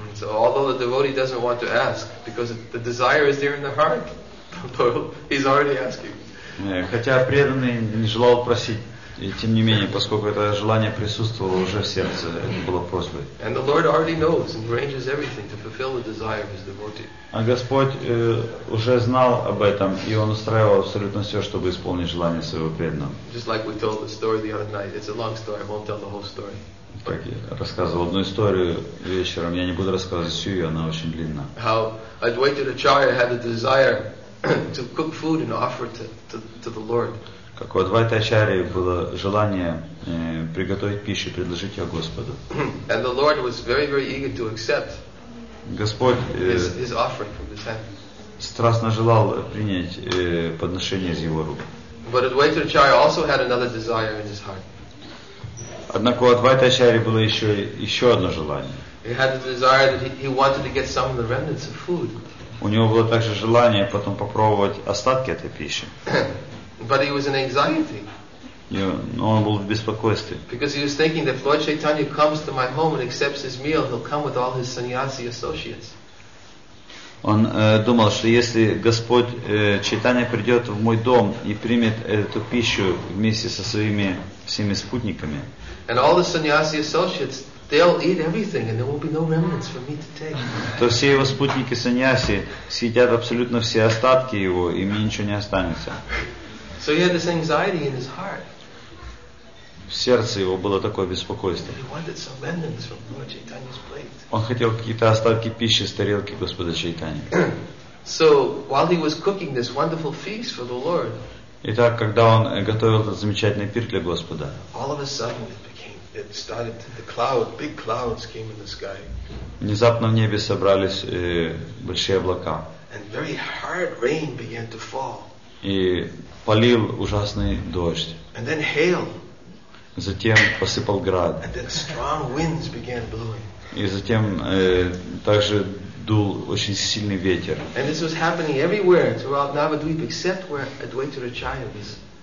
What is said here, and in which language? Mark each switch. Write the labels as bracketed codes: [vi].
[en] So although the devotee doesn't want to ask, because the desire is there in the heart, he's already asking. [ru] Хотя преданный не желал просить, и тем не менее, поскольку это желание присутствовало уже в сердце, это было просьбой. [en] And the Lord already knows and arranges everything to fulfill the desire of his devotee. [ru] А Господь уже знал об этом, и он устраивал абсолютно все, чтобы исполнить желание своего преданного. [en] Just like we told the story the other night. It's a long story. I won't tell the whole story. [ru] Так я рассказывал одну историю вечером. Я не буду рассказывать всю ее, она очень длинна. [en] How Advaita Acharya had a desire to cook food and offer to the Lord. [ru] Как у Адвайта Ачарьи было желание приготовить пищу и предложить ее Господу. [en] And the Lord was very, very eager to accept his offering from his hand. [ru] Страстно желал принять подношение из его рук. [en] But Advaita Acharya also had another desire in his heart. [ru] Однако у Адвайта Ачарьи было еще одно желание. [en] He had the desire that he wanted to get some of the remnants of food. [ru] У него было также желание потом попробовать остатки этой пищи. [en] But he was in anxiety. [ru] Но он был в беспокойстве. [en] Because he was thinking that if Lord Chaitanya comes to my home and accepts his meal, he'll come with all his sannyasi associates. [ru] Он думал, что если Господь Чайтанья придет в мой дом и примет эту пищу вместе со своими всеми спутниками. [en] And all the sannyasi associates, they'll eat everything, and there will be no remnants for me to take. [ru] То все его спутники саньяси съедят абсолютно все остатки его, и мне ничего не останется. [en] So he had this anxiety in his heart. [ru] В сердце его было такое беспокойство. [en] He wanted some remnants from Lord Chaitanya's plate. [ru] Он хотел какие-то остатки пищи с тарелки Господа Чайтани. [en] So while he was cooking this wonderful feast for the Lord. [ru] Итак, когда он готовил этот замечательный пир для Господа. [en] All of a sudden. It started to, the cloud, big clouds came in the sky. [ru] Внезапно в небе собрались большие облака. [en] And very hard rain began to fall. [ru] И полил ужасный дождь. [en] And then hail. [ru] Затем посыпал град. [en] And then strong winds began blowing. [ru] И затем также дул очень сильный ветер. [en] And this was happening everywhere throughout Navadvipa except where Advaita Acharya was